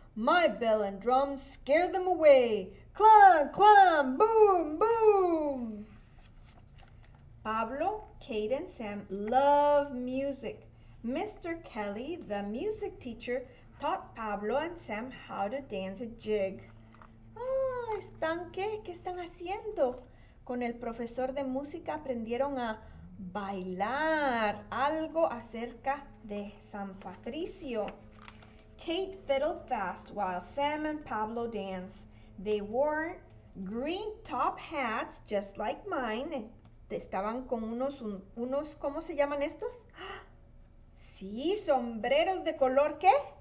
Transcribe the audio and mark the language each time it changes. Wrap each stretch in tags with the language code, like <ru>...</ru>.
<en>My bell and drum scare them away. Clam, clam, boom, boom. Pablo, Kate, and Sam love music. Mr. Kelly, the music teacher, taught Pablo and Sam how to dance a jig.</en> <es>Ah, ¿están qué? ¿Qué están haciendo? Con el profesor de música aprendieron a bailar algo acerca de San Patricio.</es> <en>Kate fiddled fast while Sam and Pablo danced. They wore green top hats just like mine.</en> <es>Estaban con unos, ¿cómo se llaman estos? Sí, sombreros de color, ¿qué?</es>